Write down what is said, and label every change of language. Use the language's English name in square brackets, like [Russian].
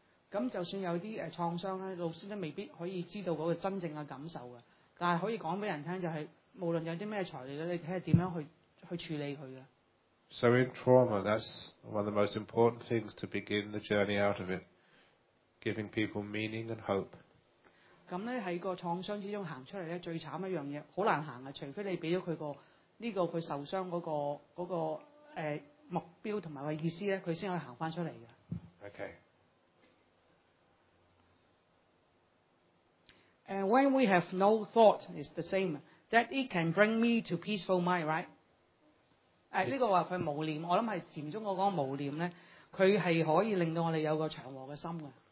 [Cantonese] 咁就算有啲創傷咧，老師都未必可以知道嗰個真正嘅感受嘅。但係可以講俾人聽，就係無論有啲咩材料，你睇下點樣去處理佢嘅。 [English] So in trauma, that's one of the most important things to begin the journey out of it, giving people meaning and hope. [Cantonese] 咁咧喺個創傷之中行出嚟咧，最慘的一樣嘢好難行啊！除非你俾咗佢個呢、這個佢受傷嗰、那個嗰、那個目標同埋個意思咧，佢先可以行翻出嚟嘅。 [English] Okay. And when we have no thought, it's the same. That it can bring me to peaceful mind, right? [Cantonese] 呢個話佢無念，我諗係禪宗嗰個無念咧，佢係可以令到我哋有個祥和嘅心嘅。